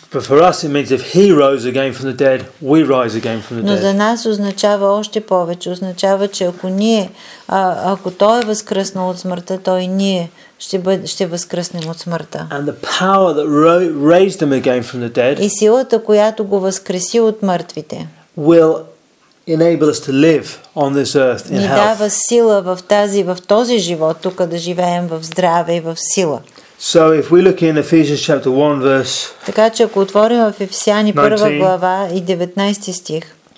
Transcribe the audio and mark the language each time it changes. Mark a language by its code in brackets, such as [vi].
[en] But for us it means if he rose again from the dead, we rise again from the dead. [bg] Но за нас означава още повече. Означава, че ако ние, ако той е възкръснал от смъртта, той и ние ще възкръснем от смъртта. [en] And the power that raised him again from the dead. [bg] И силата, която го възкреси от мъртвите. [en] Will enable us to live on this earth in health. [bg] Ни дава сила в тази, в този живот, тук да живеем в здраве и в сила. [en] So if we look in Ephesians chapter 1 verse. [bg] Така че ако отворим в Ефесяни първа глава и 19 стих.